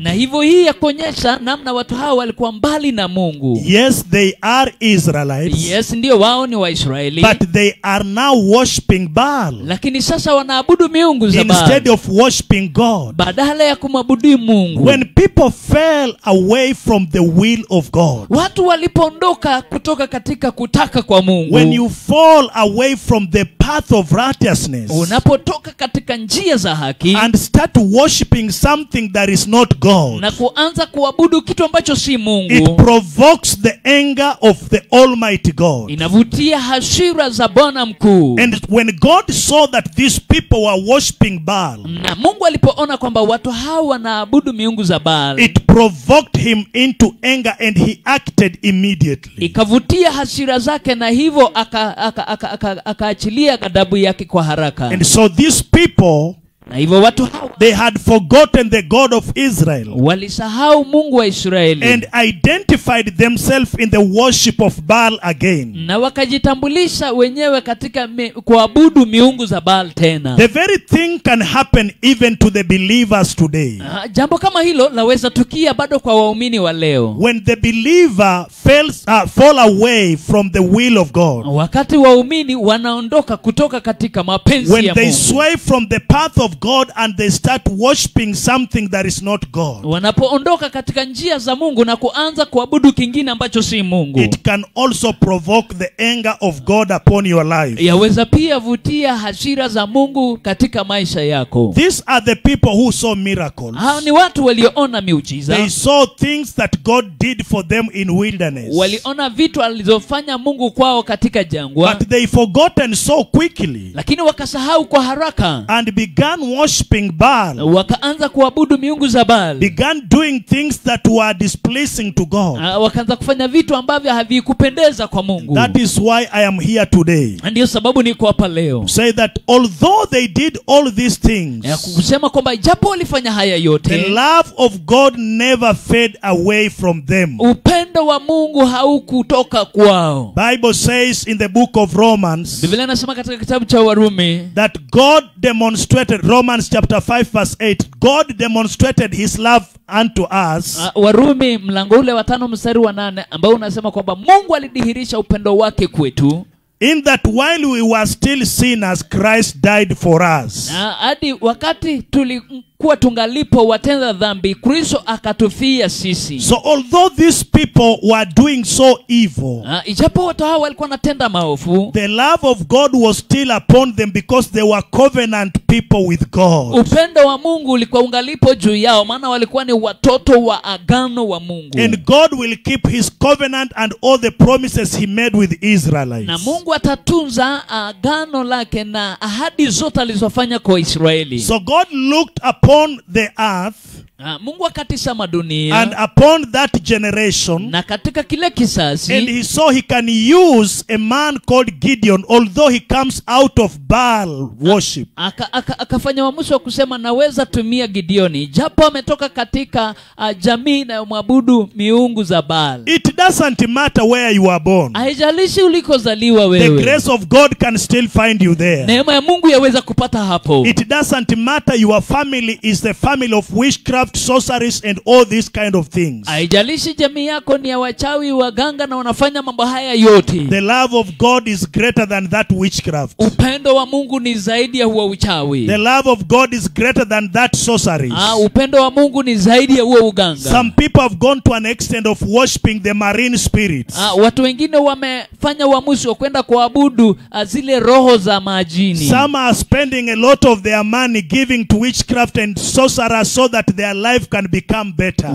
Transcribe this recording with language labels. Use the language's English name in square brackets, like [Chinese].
[Swahili] Na hivyo hii yakuonyesha namna watu hao walikuwa mbali na Mungu. [English] Yes, they are Israelites. [Swahili] Yes, ndio wao ni Waisraeli. [English] But they are now worshiping Baal. [Swahili] Lakini sasa wanaabudu miungu za Baal. [English] Instead of worshiping God. [Swahili] Badala ya kumwabudu Mungu. [English] When people fell away from the will of God. [Swahili] Watu walipondoka kutoka katika kutaka kwa Mungu. [English] When you fall away from the path of righteousness. [Swahili] Unapotoka katika njia za haki. [English] And start worshiping something that is not God. [Swahili] Na kuanza kuabudu kitu ambacho si Mungu. [English] It provokes the anger of the Almighty God. [Swahili] Inavutia hasira za Bwana mkuu. [English] And when God saw that these people were worshiping Baal. [Swahili] Na Mungu alipoona kwamba watu hao wanaabudu miungu za Baal. [English] It provoked him into anger and he acted immediately. [Swahili] Ikavutia hasira zake na hivyo akaachilia ghadhabu yake kwa haraka. [English] And so these people They had forgotten the God of Israel. [Swahili] Walisahau Mungu wa Israeli. [English] And identified themselves in the worship of Baal again. [Swahili] Na wakajitambulisha wenyewe katika kuabudu miungu za Baal tena. [English] The very thing can happen even to the believers today. [Swahili] Jambo kama hilo laweza tukia bado kwa waumini wa leo. [English] When the believer fall away from the will of God. [Swahili] Wakati waumini wanaondoka kutoka katika mapenzi ya Mungu. [English] When they sway from the path of God and they start worshiping something that is not God. [Swahili] Wanapoondoka katika njia za Mungu na kuanza kuabudu kingine ambacho si Mungu. [English] It can also provoke the anger of God upon your life. [Swahili] Yaweza pia vutia hasira za Mungu katika maisha yako. [English] These are the people who saw miracles. [Swahili] Hao ni watu walioona miujiza. [English] They saw things that God did for them in wilderness. [Swahili] Waliona vitu alizofanya Mungu kwao katika jangwa. [English] But they forgotten so quickly. [Swahili] Lakini wakasahau kwa haraka. [English] And began worshiping Baal. [Swahili] Wakaanza kuabudu miungu za Baal. [English] Began doing things that were displeasing to God. [Swahili] Wakaanza kufanya vitu ambavyo havikupendeza kwa Mungu. [English] That is why I am here today. [Swahili] Ndio sababu niko hapa leo. [English] Say that although they did all these things. [Swahili] Ya kusema kwamba japo walifanya haya yote. [English] The love of God never fade away from them. [Swahili] Upendo wa Mungu haukutoka kwao. [English] Bible says in the book of Romans. [Swahili] Biblia inasema katika kitabu cha Warumi. [English] That God demonstrated, Romans chapter 5 verse 8, God demonstrated his love unto us. [Swahili] Warumi mlango ule wa 5 mstari wa 8 ambao unasema kwamba Mungu alidhihirisha upendo wake kwetu. [English] In that while we were still sinners, Christ died for us. [Swahili] Hadi wakati tulikuwa tungalipo watenda dhambi, Kristo akatufia sisi. [English] So although these people were doing so evil, [Swahili] ijapo watu hao walikuwa wanatenda maovu, [English] the love of God was still upon them because they were covenant people with God. [Swahili] Upendo wa Mungu ulikuwa ungalipo juu yao maana walikuwa ni watoto wa agano wa Mungu. [English] And God will keep his covenant and all the promises he made with Israelites. [Swahili] Na Mungu atatunza agano lake na ahadi zote alizofanya kwa Israeli. [English] So God looked upon the earth. [Swahili] Mungu akatazama dunia. [English] And upon that generation. [Swahili] Na katika kile kisasi. [English] And he saw he can use a man called Gideon, although he comes out of Baal worship. [Swahili] Akafanya uamuzi wa kusema naweza tumia Gideoni japo ametoka katika jamii na muabudu miungu za Baal. [English] It doesn't matter where you are born. [Swahili] Haijalishi ulikozaliwa wewe. [English] The grace of God can still find you there. [Swahili] Neema ya Mungu yaweza kupata hapo. [English] It doesn't matter your family is the family of witchcraft, sorceries and all these kind of things. [Swahili] Haijalishi jamii yako ni ya wachawi waganga na wanafanya mambo haya yote. [English] The love of God is greater than that witchcraft. [Swahili] Upendo wa Mungu ni zaidi ya huo uchawi. [English] The love of God is greater than that sorcery. [Swahili] Upendo wa Mungu ni zaidi ya huo uganga. [English] Some people have gone to an extent of worshiping the marine spirits. [Swahili] Watu wengine wamefanya uamuzi wa kwenda kuabudu zile roho za majini. [English] Some are spending a lot of their money giving to witchcraft and sorcerers so that their life can become better.